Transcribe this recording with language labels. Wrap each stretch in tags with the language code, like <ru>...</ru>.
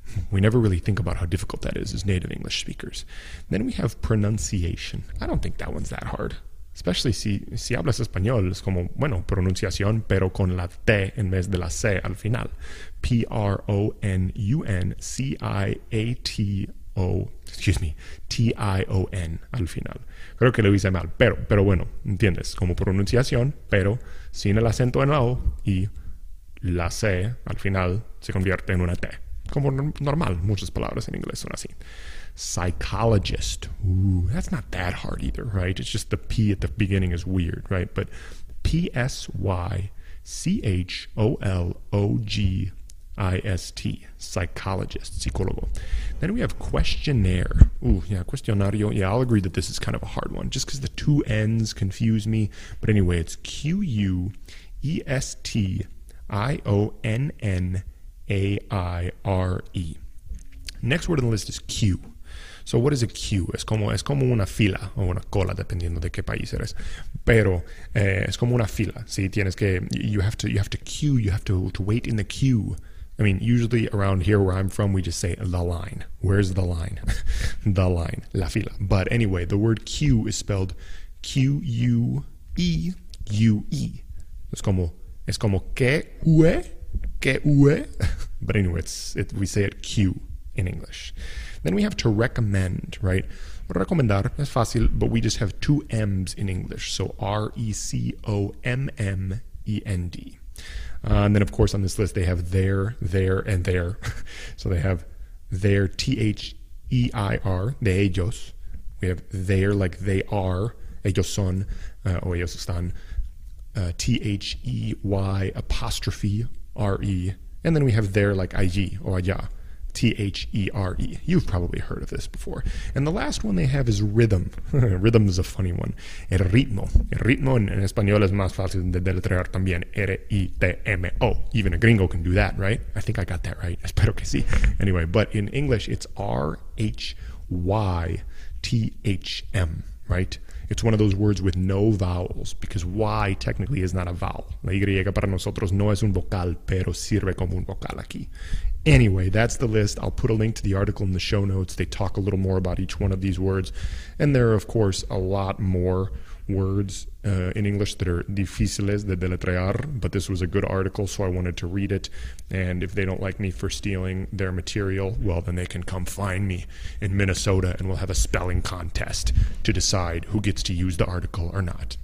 <en>We never really think about how difficult that is as native English speakers. Then we have pronunciation. I don't think that one's that hard.</en> <es>Especially si hablas español, es como, bueno, pronunciación, pero con la T en vez de la C al final.</es> <en>P-R-O-N-U-N-C-I-A-T-O. Excuse me,</en> <es>T-I-O-N al final. Creo que lo hice mal, pero bueno, entiendes, como pronunciación, pero sin el acento en la O y la C al final se convierte en una T. Como normal, muchas palabras en inglés son así.</es> <en>Psychologist. Ooh, that's not that hard either, right? It's just the P at the beginning is weird, right? But P-S-Y-C-H-O-L-O-G-I-S-T. Psychologist, psicólogo. Then we have questionnaire. Ooh, yeah, cuestionario. Yeah, I'll agree that this is kind of a hard one, just because the two N's confuse me. But anyway, it's Q-U-E-S-T-I-O-N-N-A-I-R-E. Next word on the list is Q. So what is a queue?</en> <es>Es como una fila o una cola, dependiendo de qué país eres. Pero es como una fila. Sí, tienes que,</es> <en>you have to queue, you have to wait in the queue. I mean, usually around here where I'm from, we just say the line. Where's the line? The line. La fila. But anyway, the word queue is spelled Q-U-E-U-E.</en> <es>Es como que-ue, que-ue.</es> <en>But anyway, we say it Q in English. Then we have to recommend, right?</en> <es>Recomendar es fácil,</es> <en>but we just have two M's in English. So R-E-C-O-M-M-E-N-D. And then, of course, on this list, they have there, and there. So they have there, T-H-E-I-R, de ellos. We have there, like they are,</en> <es>ellos son, o ellos están, T-H-E-Y apostrophe R-E.</es> <en>And then we have there like allí or allá, T-H-E-R-E. You've probably heard of this before. And the last one they have is rhythm. Rhythm is a funny one.</en> <es>El ritmo. El ritmo en español es más fácil de deletrear también.</es> <en>R-I-T-M-O. Even a gringo can do that, right? I think I got that right.</en> <es>Espero que sí.</es> <en>Anyway, but in English, it's R-H-Y-T-H-M, right? It's one of those words with no vowels, because Y technically is not a vowel.</en> <es>La Y para nosotros no es un vocal, pero sirve como un vocal aquí.</es> <en>Anyway, that's the list. I'll put a link to the article in the show notes. They talk a little more about each one of these words. And there are, of course, a lot more words in English that are</en> <es>difíciles de deletrear,</es> <en>but this was a good article, so I wanted to read it. And if they don't like me for stealing their material, well, then they can come find me in Minnesota and we'll have a spelling contest to decide who gets to use the article or not.</en>